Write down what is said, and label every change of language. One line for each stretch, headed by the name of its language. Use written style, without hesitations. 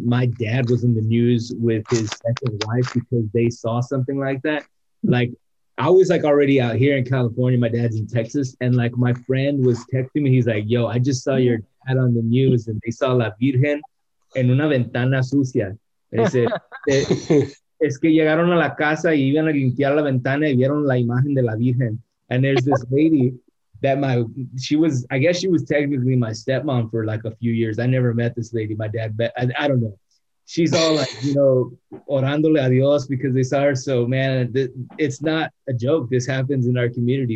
English: My dad was in the news with his second wife because they saw something like that. Like. I was like already out here in California. My dad's in Texas. And like my friend was texting me. He's like, yo, I just saw your dad on the news and they saw La Virgen
Spanish: en una ventana sucia.
English: And he said,
Spanish: es que llegaron a la casa y iban a limpiar la ventana y vieron la imagen de La Virgen.
English: And there's this lady that I guess she was technically my stepmom for like a few years. I never met this lady, my dad, but I don't know. She's all like, you know,
Spanish: orándole a Dios
English: because they saw her. So, man, it's not a joke. This happens in our community.